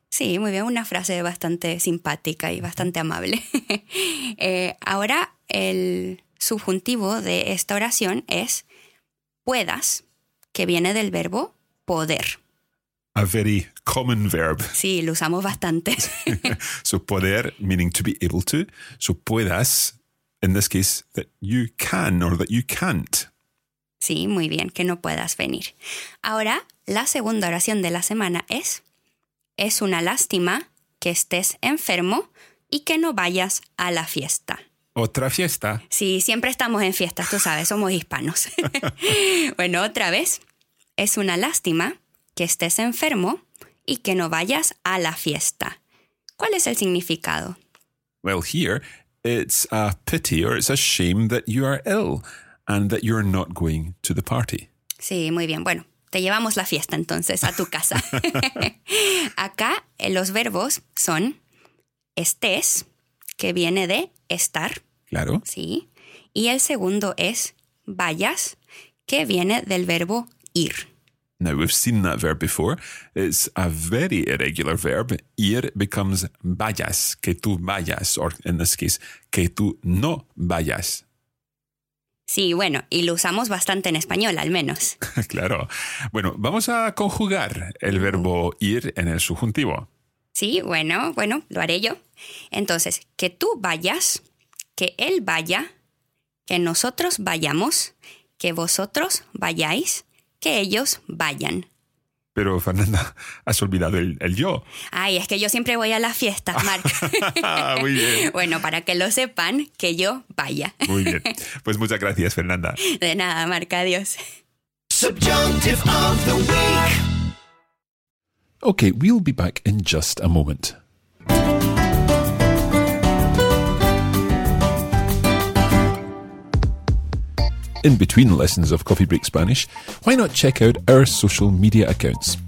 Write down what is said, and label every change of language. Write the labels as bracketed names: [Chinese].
[Spanish] Sí, muy bien, una frase bastante simpática y bastante amable. ahora, el subjuntivo de esta oración es puedas, que viene del verbo poder. [English] A very common verb. [Spanish] Sí, lo usamos bastante. [English] So poder, meaning to be able to. So puedas, in this case, that you can or that you can't. [Spanish] Sí, muy bien, que no puedas venir. Ahora, la segunda oración de la semana es una lástima que estés enfermo y que no vayas a la fiesta. ¿Otra fiesta? Sí, siempre estamos en fiestas, tú sabes, somos hispanos. Bueno, otra vez, es una lástima que estés enfermo y que no vayas a la fiesta. ¿Cuál es el significado? [English] Well, here, it's a pity or it's a shame that you are ill and that you're not going to the party. [Spanish] Sí, muy bien. Bueno, te llevamos la fiesta entonces a tu casa. Acá los verbos son estés, que viene de estar. Claro. Sí. Y el segundo es vayas, que viene del verbo ir. [English] Now, we've seen that verb before. It's a very irregular verb. [Spanish] Ir [English] becomes [Spanish] vayas, que tú vayas, [English] or in this case, [Spanish] que tú no vayas. Sí, bueno, y lo usamos bastante en español, al menos. Claro. Bueno, vamos a conjugar el verbo ir en el subjuntivo. Sí, bueno, lo haré yo. Entonces, que tú vayas, que él vaya, que nosotros vayamos, que vosotros vayáis, que ellos vayan. Pero, Fernanda, has olvidado el yo. Ay, es que yo siempre voy a las fiestas, Mark. Muy bien. Bueno, para que lo sepan, que yo vaya. Muy bien. Pues muchas gracias, Fernanda. De nada, Mark. Adiós. [English] Subjunctive of the week. Okay, we'll be back in just a moment. In between lessons of Coffee Break Spanish, why not check out our social media accounts?